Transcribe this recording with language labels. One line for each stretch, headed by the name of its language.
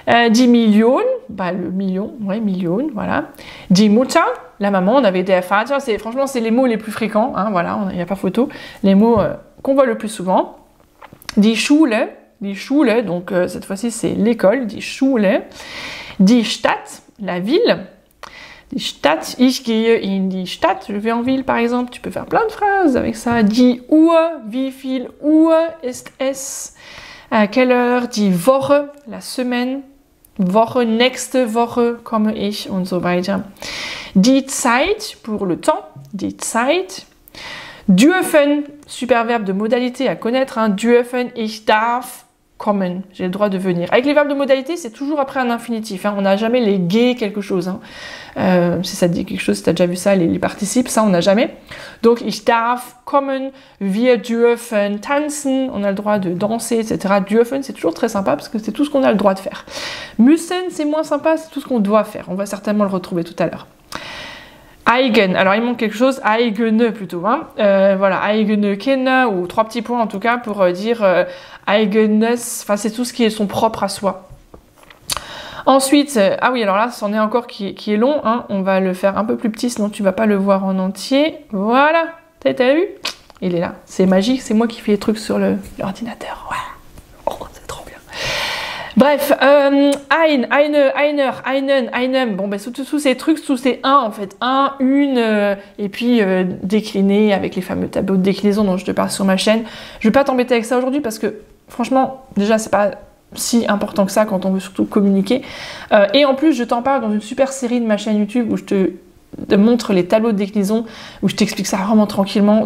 French: Die Million, bah le million, ouais, million, voilà. Die Mutter, la maman, on avait der Vater, c'est franchement c'est les mots les plus fréquents, hein, voilà, il n'y a pas photo, les mots qu'on voit le plus souvent. Die Schule, donc cette fois-ci c'est l'école, die Schule. Die Stadt, la ville.
German: Die Stadt, ich gehe in die Stadt.
French: Je vais en ville, par exemple. Tu peux faire plein de phrases avec ça.
German: Die Uhr, wie viel Uhr ist es?
French: À quelle heure?
German: Die Woche,
French: la semaine.
German: Woche, nächste Woche, komme ich, und so weiter. Die Zeit,
French: pour le temps.
German: Die Zeit.
French: Dürfen, super verbe de modalité à connaître. Hein. Dürfen, ich darf. Kommen, j'ai le droit de venir. Avec les verbes de modalité, c'est toujours après un infinitif. Hein. On n'a jamais les gay quelque chose. Hein. Si ça te dit quelque chose, si tu as déjà vu ça, les participes, ça, on n'a jamais. Donc,
German: ich darf kommen, wir dürfen tanzen,
French: on a le droit de danser, etc. Dürfen, c'est toujours très sympa parce que c'est tout ce qu'on a le droit de faire. Müssen, c'est moins sympa, c'est tout ce qu'on doit faire. On va certainement le retrouver tout à l'heure. Eigen, alors il manque quelque chose, eigene plutôt, hein. Voilà, eigene kenne, ou trois petits points en tout cas pour dire eigenes, enfin c'est tout ce qui est son propre à soi. Ensuite, ah oui, alors là, c'en est encore qui est long, hein. On va le faire un peu plus petit, sinon tu vas pas le voir en entier. Voilà, t'as vu? Il est là, c'est magique, c'est moi qui fais les trucs sur l'ordinateur, ouais. Bref, ein, eine, einer, einen, einem. Bon, ben, sous ces trucs, sous ces un, en fait. Un, une, et puis décliné avec les fameux tableaux de déclinaison dont je te parle sur ma chaîne. Je ne vais pas t'embêter avec ça aujourd'hui parce que, franchement, déjà, c'est pas si important que ça quand on veut surtout communiquer. Et en plus, je t'en parle dans une super série de ma chaîne YouTube où je te montre les tableaux de déclinaison, où je t'explique ça vraiment tranquillement.